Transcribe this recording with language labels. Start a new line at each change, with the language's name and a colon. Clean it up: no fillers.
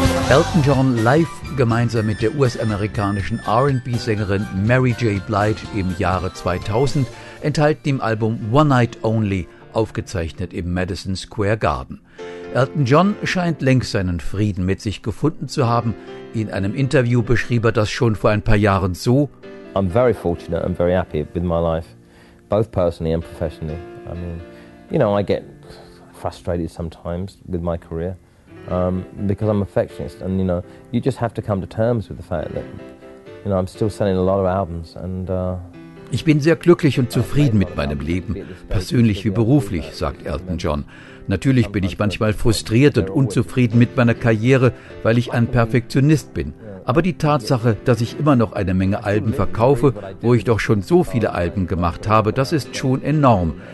German: Elton John live gemeinsam mit der US-amerikanischen R&B-Sängerin Mary J. Blige im Jahre 2000, enthalten im Album One Night Only, aufgezeichnet im Madison Square Garden. Elton John scheint längst seinen Frieden mit sich gefunden zu haben. In einem Interview beschrieb er das schon vor ein paar Jahren so:
English: I'm very fortunate and very happy with my life, both personally and professionally. I mean, you know, I get frustrated sometimes with my career. Because I'm a perfectionist, and you know, you just have to come to terms with the fact that, you know, I'm still selling a lot of albums. And
German: ich bin sehr glücklich und zufrieden mit meinem Leben, persönlich wie beruflich, sagt Elton John. Natürlich bin ich manchmal frustriert und unzufrieden mit meiner Karriere, weil ich ein Perfektionist bin. Aber die Tatsache, dass ich immer noch eine Menge Alben verkaufe, wo ich doch schon so viele Alben gemacht habe, das ist schon enorm.